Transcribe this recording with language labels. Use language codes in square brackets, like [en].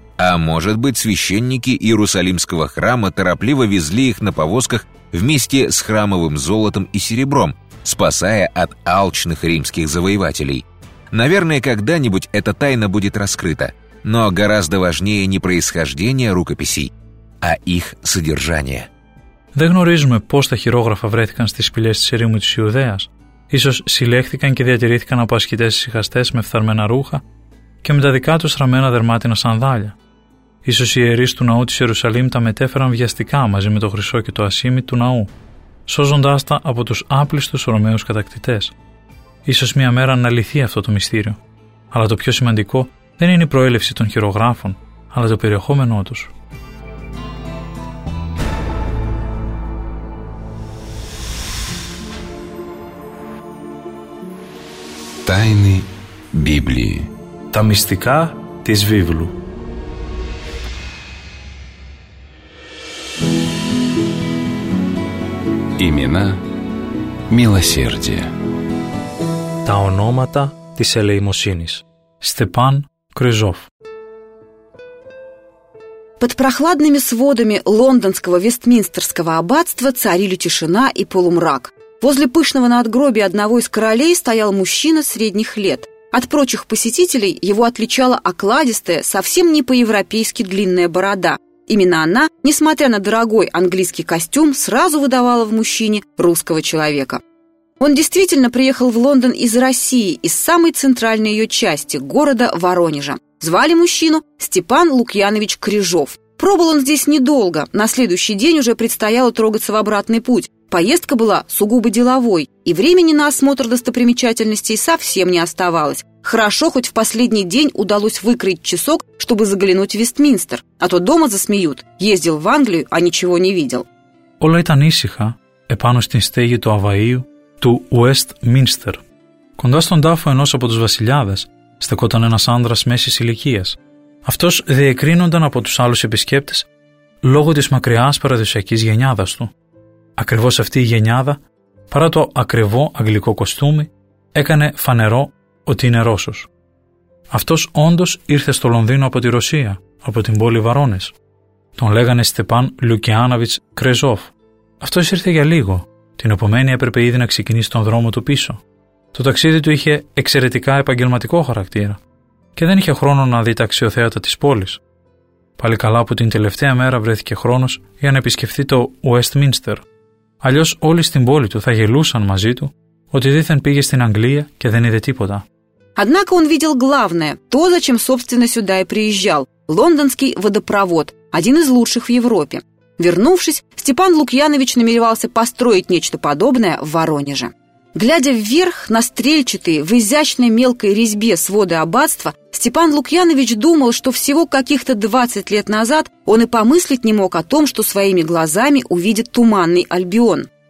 [ru] А может быть, священники Иерусалимского храма торопливо везли их на повозках вместе с храмовым золотом и серебром, спасая от алчных римских завоевателей. Наверное, когда-нибудь эта тайна будет раскрыта, но гораздо важнее не происхождение рукописей, а их содержание. [el] Δεν γνωρίζουμε πώς τα χειρόγραφα βρέθηκαν στις σπηλιές της ερήμου της Ιουδαίας. Ίσως συλλέχθηκαν και διατηρήθηκαν από ασκητές συχαστές με φθαρμένα ρούχα και με τα δικά τους ραμμένα δερμάτινα σανδάλια. Ίσως οι ιερείς του ναού της Ιερουσαλήμ τα μετέφεραν βιαστικά μαζί με το χρυσό και το ασίμι του ναού, σώζοντάς τα από τους άπλιστους Ρωμαίους κατακτητές. ίσως μια μέρα να λυθεί αυτό το μυστήριο. Αλλά το πιο σημαντικό δεν είναι η προέλευση των χειρογράφων, αλλά το περιεχόμενό τους. [ru] Τάινη Βίβλη. [el] Τα μυστικά της Βίβλου. [ru] Имена милосердия. [el] Τα ονόματα της ελεημοσύνης. [ru] Степан Крыжов. Под прохладными сводами лондонского Вестминстерского аббатства царили тишина и полумрак. Возле пышного надгробия одного из королей стоял мужчина средних лет. От прочих посетителей его отличала окладистая, совсем не по-европейски длинная борода. Именно она, несмотря на дорогой английский костюм, сразу выдавала в мужчине русского человека. Он действительно приехал в Лондон из России, из самой центральной ее части, города Воронежа. Звали мужчину Степан Лукьянович Крыжов. Пробыл он здесь недолго, на следующий день уже предстояло трогаться в обратный путь. Поездка была сугубо деловой, и времени на осмотр достопримечательностей совсем не оставалось. Хорошо, хоть в последний день удалось выкроить часок, чтобы заглянуть в Вестминстер, а то дома засмеют. Ездил в Англию, а ничего не видел. [el] Όλα ήταν ήσυχα, επάνω στην στέγη του Αβαΐου, του Westminster. Κοντά στον τάφο ενός από τους βασιλιάδες, στεκόταν ένας άνδρας μέσης ηλικίας. Αυτός διεκρίνονταν από τους άλλους επισκέπτες λόγω της μακριάς παραδοσιακής γενιάδας του. Ακριβώς αυτή η γενιάδα, παρά το ακριβό αγγλικό κοστούμι, έκανε φανερό ότι είναι Ρώσος. Αυτός όντως ήρθε στο Λονδίνο από τη Ρωσία, από την πόλη Βαρόνες. Τον λέγανε Στεπάν Λουκιάνοβιτς Κρεζόφ. Αυτός ήρθε για λίγο, την επομένη έπρεπε ήδη να ξεκινήσει τον δρόμο του πίσω. Το ταξίδι του είχε εξαιρετικά επαγγελματικό χαρακτήρα και δεν είχε χρόνο να δει τα αξιοθέατα της πόλης. Πάλι καλά που την τελευταία μέρα βρέθηκε χρόνος για να επισκεφθεί το Westminster. Αλλιώς όλοι στην πόλη του θα γελούσαν μαζί του ότι δήθεν πήγε στην Αγγλία και δεν είδε τίποτα. [ru] Однако он видел главное, то, зачем собственно сюда и приезжал, лондонский водопровод, один из лучших в Европе. Вернувшись, Степан Лукьянович намеревался построить нечто подобное в Воронеже. Глядя вверх на стрельчатые в изящной мелкой резьбе своды аббатства, Степан Лукьянович думал, что всего каких-то 20 лет назад он и помыслить не мог о том, что своими глазами увидит Туманный Альбион.